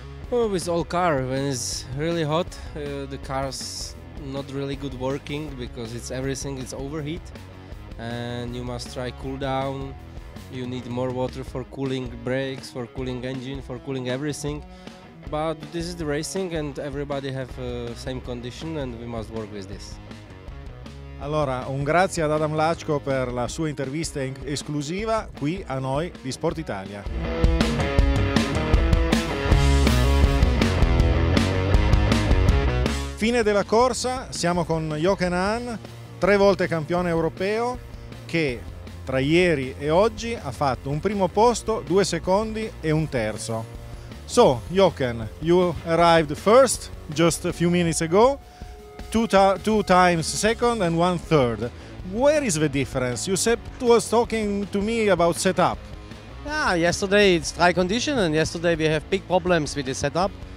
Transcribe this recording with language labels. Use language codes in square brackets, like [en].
[en] Well, with all car, when it's really hot, the car's not really good working, because it's everything is overheat, and you must try cool down. You need more water for cooling brakes, for cooling engine, for cooling everything. But this is the racing, and everybody have same condition, and we must work with this. [it] Allora, un grazie ad Adam Lachko per la sua intervista esclusiva qui a noi di Sport Italia. Fine della corsa, siamo con Jochen Hahn, tre volte campione europeo, che tra ieri e oggi ha fatto un primo posto, due secondi e un terzo. [en] So, Jochen, you arrived first just a few minutes ago. Two times second and one third. Where is the difference? You said was talking to me about setup. Yeah, yesterday it's dry condition, and yesterday we have big problems with the setup.